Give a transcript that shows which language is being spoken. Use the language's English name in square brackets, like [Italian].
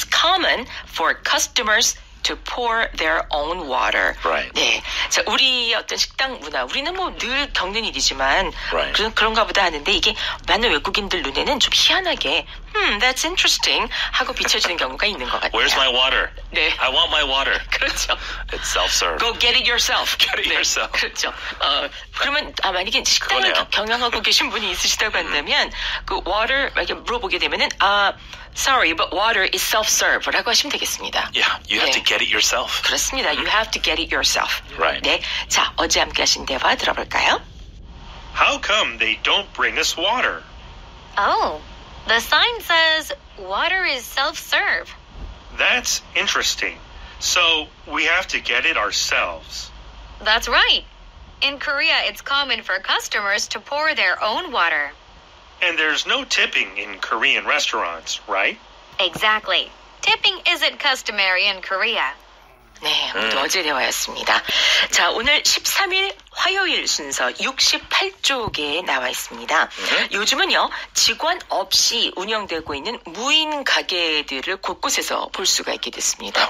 [English] common for customers to pour their own water. Right. [Korean] 네. 자, 우리 어떤 식당 문화, 우리는 뭐 늘 겪는 일이지만 [English] right. [Korean] 그런가 보다 하는데 이게 많은 외국인들 눈에는 좀 희한하게 [English] that's interesting [Korean] 하고 비춰지는 경우가 있는 것 같아요. [English] Where's my water? [Korean] 네. [English] I want my water. [Korean] 그렇죠. [English] It's self-serve. Go get it yourself. Get it 네. yourself. [Korean] 그렇죠. 그러면 만약에 식당을 경영하고 계신 분이 있으시다고 한다면 그 water 이렇게 물어보게 되면은 [English] Sorry, but water is self-serve [Korean] 라고 하시면 되겠습니다. [English] Yeah, you have 네. to get it yourself. [Korean] 그렇습니다. [English] You have to get it yourself. Right. [Korean] 네. 자, 어제 함께 하신 대화 들어볼까요? [English] How come they don't bring us water? Oh, the sign says water is self-serve. That's interesting. So we have to get it ourselves. That's right. In Korea, it's common for customers to pour their own water. And there's no tipping in Korean restaurants, right? Exactly. Tipping isn't customary in Korea. [Korean] 네, 모두 어제 대화였습니다. 자, 오늘 13일 화요일 순서 68쪽에 나와 있습니다. 요즘은요, 직원 없이 운영되고 있는 무인 가게들을 곳곳에서 볼 수가 있게 됐습니다.